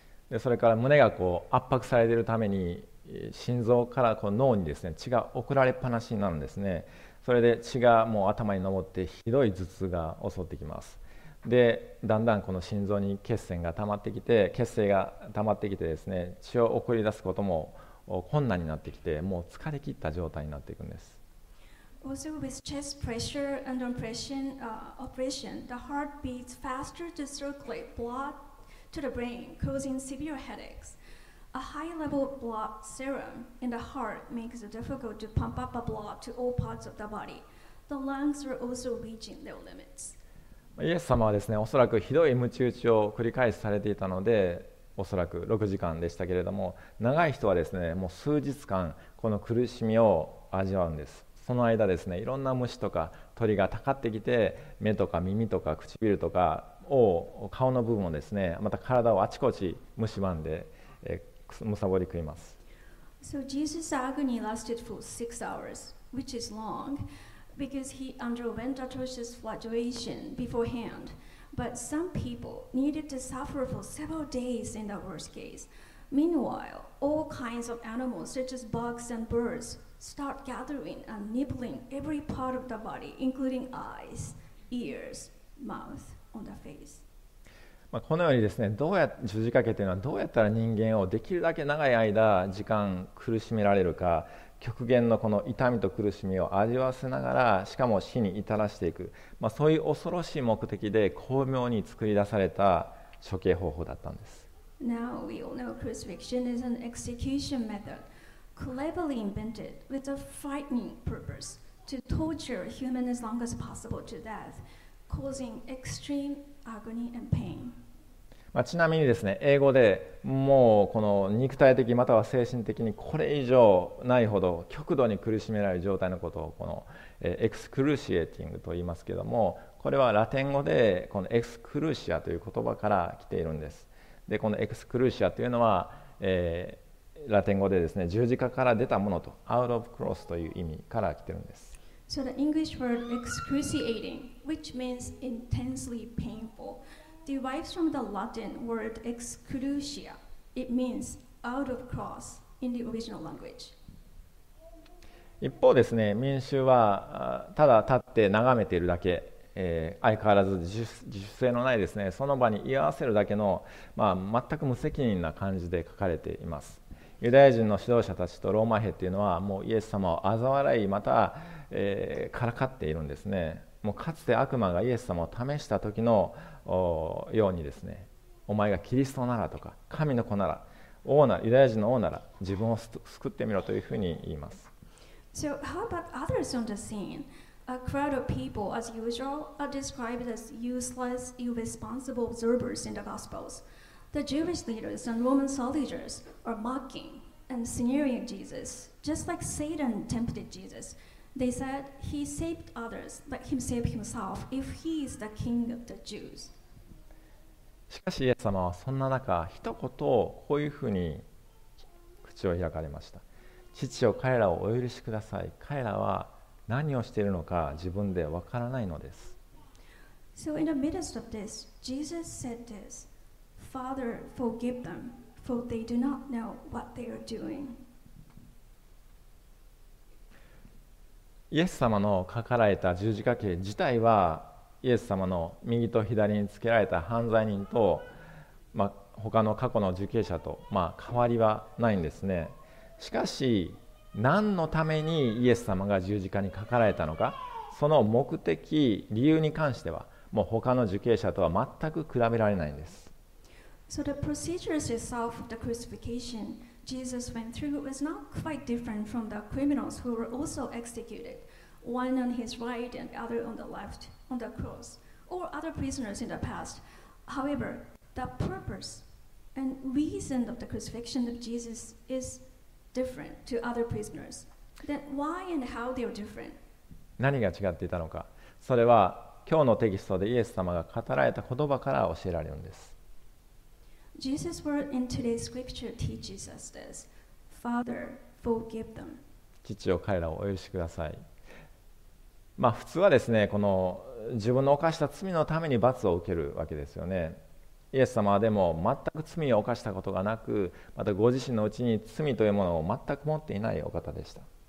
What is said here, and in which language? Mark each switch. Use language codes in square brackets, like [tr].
[ja] で、それから胸がこう圧迫されているために、心臓からこう脳にですね、血が送られっぱなしになるんですね。それで血がもう頭に上ってひどい頭痛が襲ってきます。で、だんだんこの心臓に血栓が溜まってきて、血栓が溜まってきてですね、血を送り出すことも困難になってきて、もう疲れ切った状態になっていくんです。 [en] Also with chest pressure and oppression, oppression, the heart beats faster to circulate blood to the brain, causing severe headaches. A high level of blood serum in the heart makes it difficult to pump up the blood to all parts of the body. The lungs are also reaching their limits. [ja] イエス様はですね、おそらくひどいムチ打ちを繰り返しされていたので、おそらく6時間でしたけれども、長い人はですね、もう数日間この苦しみを味わうんです。その間ですね、いろんな虫とか鳥がたかってきて、目とか耳とか唇とかを顔の部分をですね、また体をあちこち蝕んで、むさぼり食います。 [en] So Jesus' agony lasted for 6 hours, which is long. because he underwent atrocious flagellation beforehand. But some people needed to suffer for several days in the worst case. Meanwhile, all kinds of animals, such as bugs and birds, start gathering and nibbling every part of the body, including eyes, ears, mouth, on the face. [ja] まあ、このようにですね、十字架けというのはどうやったら人間をできるだけ長い間時間苦しめられるか、極限のこの痛みと苦しみを味わわせながら、しかも死に至らしていく、まあ、そういう恐ろしい目的で巧妙に作り出された処刑方法だったんです。 [en] Now we all know crucifixion is an execution method cleverly invented with a frightening purpose to torture humans as long as possible to death, causing extreme agony and pain. [ja] まあ、ちなみにですね、英語でもうこの肉体的または精神的にこれ以上ないほど極度に苦しめられる状態のことをこのエクスクルーシエーティングと言いますけども、これはラテン語でこのエクスクルーシアという言葉から来ているんです。でこのエクスクルーシアというのは、ラテン語でですね、十字架から出たものと、 [en] out of cross [ja] という意味から来ているんです。 [en] So the English word excruciating, which means intensely painful, derives from the Latin word excrucia. It means out of cross in the original language. [ja] 一方ですね、民衆はただ立って眺めているだけ、相変わらず自主性のないですね、その場に居合わせるだけの、まあ、全く無責任な感じで書かれています。ユダヤ人の指導者たちとローマ兵というのはもうイエス様を嘲笑い、また、からかっているんですね。もうかつて悪魔がイエス様を試した時のようにですね、お前がキリストならとか、神の子なら、王なら、ユダヤ人の王なら自分を救ってみろというふうに言います。 [en] So how about others on the sceneA crowd of people, as usual, are described as useless, irresponsible observers in the Gospels. The Jewish leaders and Roman soldiers are mocking and sneering at Jesus, just like Satan tempted Jesus. They said he saved others, let him save himself if he is the king of the Jews. [ja] しかしイエス様はそんな中、一言こういうふうに口を開かれました。父よ、彼らをお許しください。彼らは何をしているのか自分でわからないのです。 [en] So in the midst of this, Jesus said this, Father, forgive them, for they do not know what they are doing. [ja] イエス様のかかられた十字架刑自体は、イエス様の右と左につけられた犯罪人と、まあ、他の過去の受刑者と、まあ、変わりはないんですね。しかし、何のためにイエス様が十字架にかかられたのか、その目的、理由に関しては、もう他の受刑者とは全く比べられないんです。 [en] So the procedures itself of the crucifixion Jesus went through was not quite different from the criminals who were also executed, one on his right and the other on the left, on the cross, or other prisoners in the past. However, the purpose and reason of the crucifixion of Jesus is different to other prisoners. Then why and how they are different? [ja] 何が違っていたのか、それは今日のテキストでイエス様が語られた言葉から教えられるんです。 [en] Jesus' word in today's scripture teaches us this. Father, forgive them. [ja] 父よ、彼らをお許しください。まあ普通はですね、この自分の犯した罪のために罰を受けるわけですよね。イエス様はでも全く罪を犯したことがなく、またご自身のうちに罪というものを全く持っていないお方でした。